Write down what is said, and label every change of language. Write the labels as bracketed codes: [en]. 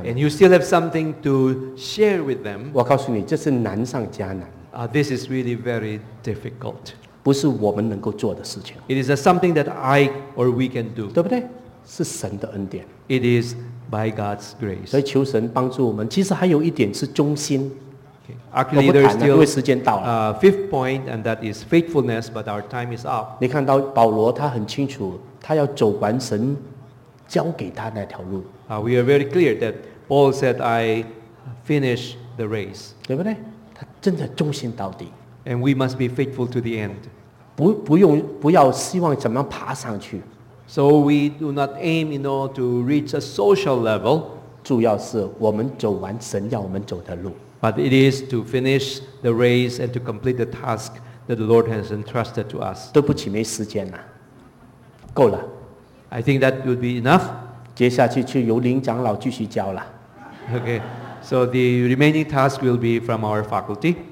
[en] And you still have something to share with them. [zh] 我告诉你，这是难上加难。 [en] This is really very difficult. [zh] 不是我们能够做的事情。 [en] It is something that I or we can do. [zh] 对不对？是神的恩典。 [en] It is by God's grace. [zh] 所以求神帮助我们。其实还有一点是忠心。 [en] Actually, there's still a fifth point, and that is faithfulness. But our time is up. [zh] 你看到保罗，他很清楚，他要走完神交给他那条路。 [en] We are very clear that Paul said, "I finish the race." [zh] 对不对？他真的忠心到底。 [en] And we must be faithful to the end. [zh] 不要希望怎么爬上去。 [en] So we do not aim, you know, to reach a social level. [zh] 主要是我们走完神要我们走的路。 [en] But it is to finish the race and to complete the task that the Lord has entrusted to us. [zh] 对不起，没时间了，够了。 [en] I think that would be enough. [zh] 接下去就由林长老继续教了。 [en] Okay, so the remaining task will be from our faculty.